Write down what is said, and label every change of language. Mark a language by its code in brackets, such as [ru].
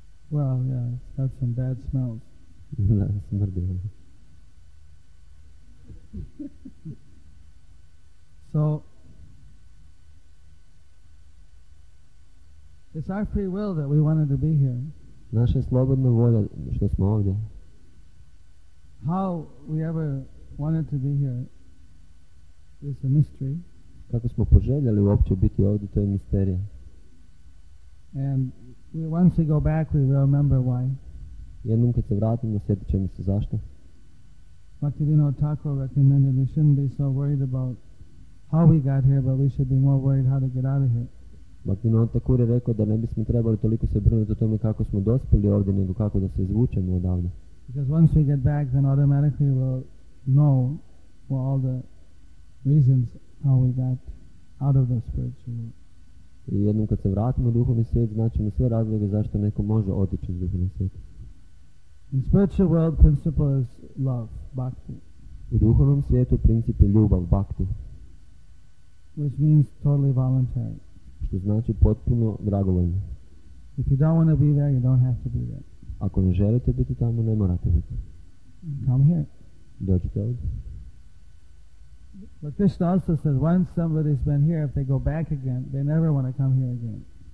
[en] Well, yeah, it's got some bad smells. [hr] Da, smrdi. [en] So, it's our free will that we wanted to be here. [hr] Naša slobodna volja što smo ovdje. [en] How we ever wanted to be here is a mystery. [hr] Kako smo poželjeli uopće biti ovdje, to je misterija. [en] And once we go back, we will remember why. [hr] Jednom kad se vratimo, sjetit ćemo se zašto. [en] Bhaktivinoda Thakur recommended we shouldn't be so worried about how we got here, but we should be more worried how to get out of here. [hr] Bhaktivinoda Thakur je rekao da ne bismo trebali toliko se brinuti o tome kako smo dospeli ovdje, nego kako da se izvučemo odavde. [en] Because once we get back, then automatically we'll know for all the reasons how we got out of the spiritual world. [hr] I jednom kad se vratimo u duhovni svijet, značimo sve razloge zašto neko može otići iz duhovnog svijeta. [en] In spiritual world, principle is love, bhakti. [hr] U duhovnom svijetu princip je ljubav, bhakti. [en] Which means totally voluntary. [hr] Što znači potpuno dragovoljno. [en] If you don't want to be there, you don't have to be there. [hr] Ako ne želite biti tamo, ne morate biti. [en] Come here. [hr] Dođite ovdje. [en] But Krishna also says once somebody's been here, if they go back again, they never want to come here again.